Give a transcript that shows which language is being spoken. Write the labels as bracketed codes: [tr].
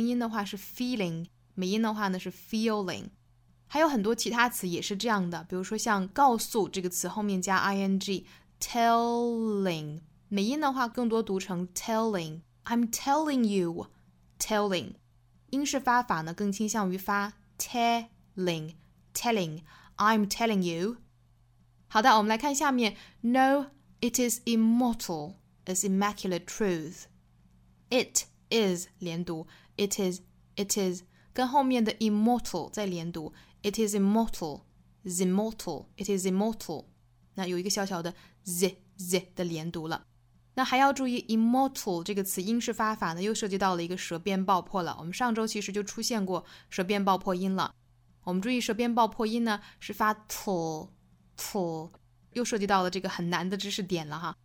[zh] 英音的话是 feeling， 美音的话呢是 feeling， 还有很多其他词也是这样的，比如说像告诉这个词后面加 ing， telling， 美音的话更多读成 telling， [en] I'm telling you， [zh] telling， 英式发法呢更倾向于发 telling， telling， I'm telling you。好的，我们来看下面 [en] No, it is immortal as immaculate truth. [zh] It is 连读 It is 跟后面的 immortal 再连读 [en] It is immortal It is immortal [zh] 那有一个小小的 z 的连读了。那还要注意 immortal 这个词英式发法呢又涉及到了一个舌边爆破了，我们上周其实就出现过舌边爆破音了。我们注意舌边爆破音呢是发 t 又涉及到了这个很难的知识点了哈。